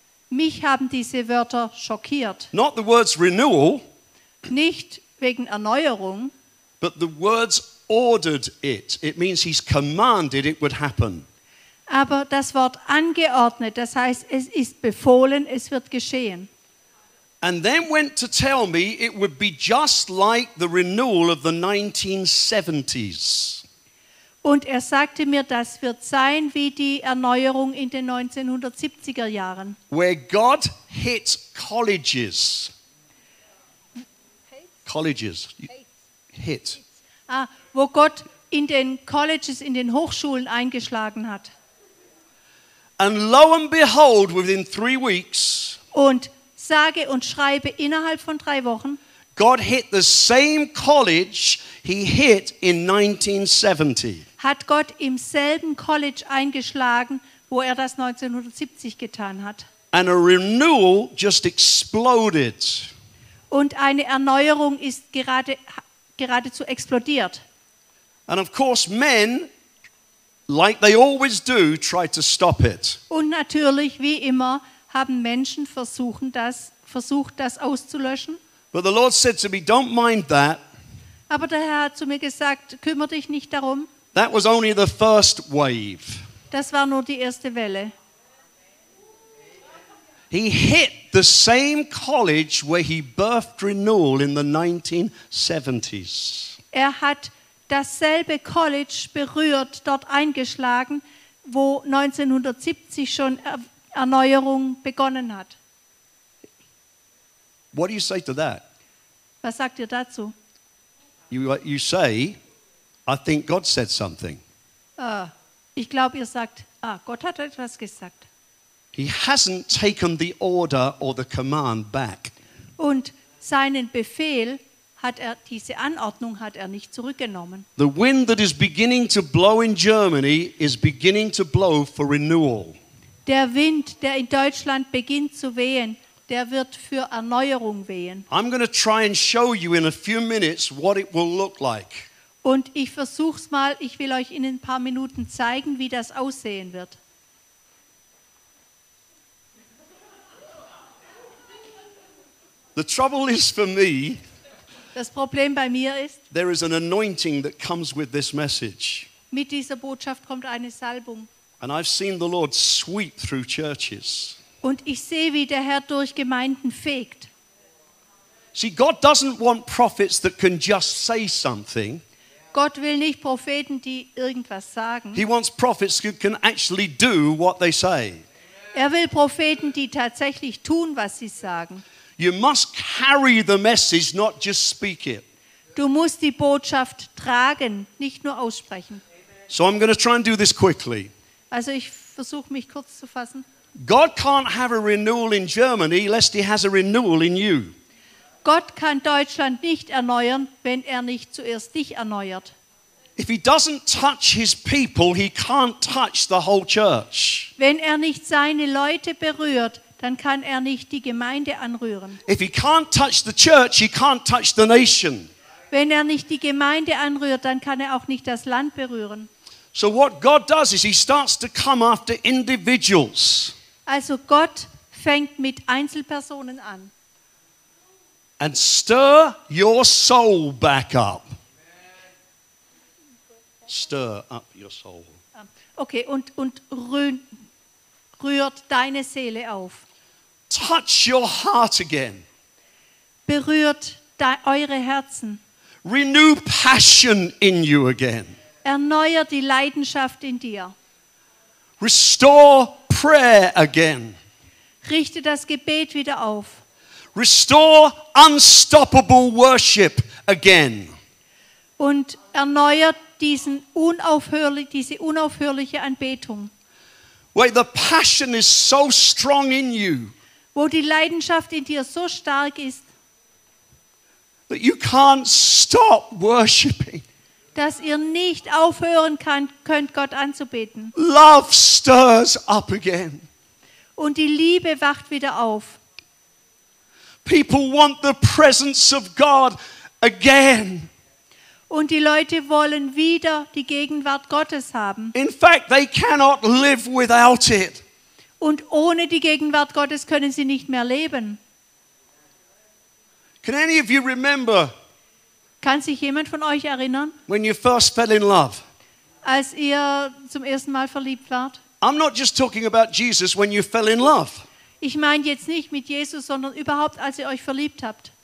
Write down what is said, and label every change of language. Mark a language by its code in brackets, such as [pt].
[de] Mich haben diese Wörter schockiert. [en] Not the words renewal, [de] nicht wegen Erneuerung, [en] but the words ordered it. It means he's commanded it would happen. [de] Aber das Wort angeordnet, das heißt, es ist befohlen, es wird geschehen. [en] And then went to tell me it would be just like the renewal of the 1970s. [de] Und er sagte mir, das wird sein wie die Erneuerung in den 1970er Jahren. [en] Where God hit colleges. Colleges. Hit. [de] Ah, wo Gott in den Colleges, in den Hochschulen eingeschlagen hat. [en] And lo and behold, within 3 weeks. [de] Und sage und schreibe innerhalb von 3 Wochen. [en] God hit the same college he hit in 1970. [de] Hat Gott im selben College eingeschlagen, wo er das 1970 getan hat. [en] And a renewal just exploded. [de] Und eine Erneuerung ist geradezu explodiert. [en] And of course men, like they always do, try to stop it. [de] Und natürlich, wie immer, haben Menschen versucht, das auszulöschen. [en] But the Lord said to me, don't mind that. [de] Aber der Herr hat zu mir gesagt, kümmere dich nicht darum. [en] That was only the first wave. [de] Das war nur die erste Welle. [en] He hit the same college where he birthed renewal in the 1970s. [de] Er hat dasselbe College berührt, dort eingeschlagen, wo 1970 schon Erneuerung begonnen hat. [en] What do you say to that? [de] Was sagt ihr dazu? [en] You say, I think God said something. [de] Ich glaube, ihr sagt, ah, Gott hat etwas gesagt. [en] He hasn't taken the order or the command back. [de] Und seinen Befehl hat er, diese Anordnung hat er nicht zurückgenommen. [en] The wind that is beginning to blow in Germany is beginning to blow for renewal. [de] Der Wind, der in Deutschland beginnt zu wehen, der wird für Erneuerung wehen. [en] I'm going to try and show you in a few minutes what it will look like. [de] Und ich versuch's mal, ich will euch in ein paar Minuten zeigen, wie das aussehen wird. [en] The trouble is for me. [de] Das Problem bei mir ist, [en] there is an anointing that comes with this message. [de] Mit dieser Botschaft kommt eine Salbung. [en] And I've seen the Lord sweep through churches. [de] Und ich sehe, wie der Herr durch Gemeinden fegt. [en] See, God doesn't want prophets that can just say something. [de] Gott will nicht Propheten, die irgendwas sagen. [en] He wants prophets who can actually do what they say. [de] Er will Propheten, die tatsächlich tun, was sie sagen. [en] You must carry the message, not just speak it. [de] Du musst die Botschaft tragen, nicht nur aussprechen. [en] So I'm going to try and do this quickly. [de] Also ich versuche mich kurz zu fassen. [en] God can't have a renewal in Germany lest he has a renewal in you. [de] Gott kann Deutschland nicht erneuern, wenn er nicht zuerst dich erneuert. [en] If he doesn't touch his people, he can't touch the whole church. [de] Wenn er nicht seine Leute berührt, dann kann er nicht die Gemeinde anrühren. [en] If he can't touch the church, he can't touch the nation. [de] Wenn er nicht die Gemeinde anrührt, dann kann er auch nicht das Land berühren. [en] So what God does is he starts to come after individuals. [de] Also Gott fängt mit Einzelpersonen an. [en] And stir your soul back up. Stir up your soul. [de] Okay, und rührt deine Seele auf. [en] Touch your heart again. [de] Berührt eure Herzen. [en] Renew passion in you again. [de] Erneuer die Leidenschaft in dir. [en] Restore prayer again. [de] Richte das Gebet wieder auf. [en] Restore unstoppable worship again. [de] Und erneuert diese unaufhörliche Anbetung. [en] Where the passion is so strong in you. [de] Wo die Leidenschaft in dir so stark ist. [en] That you can't stop worshiping. [de] Dass ihr nicht aufhören könnt Gott anzubeten. [en] Love stirs up again. [de] Und die Liebe wacht wieder auf. [en] People want the presence of God again. [de] Und die Leute wollen wieder die Gegenwart Gottes haben. [en] In fact, they cannot live without it. [de] Und ohne die Gegenwart Gottes können sie nicht mehr leben. [en] Can any of you remember? [de] Kann sich jemand von euch erinnern? [en] When you first fell in love. [de] Als ihr zum ersten Mal verliebt wart. [en] I'm not just talking about Jesus when you fell in love. [de] Ich meine jetzt nicht mit Jesus, sondern überhaupt, als ihr euch verliebt habt.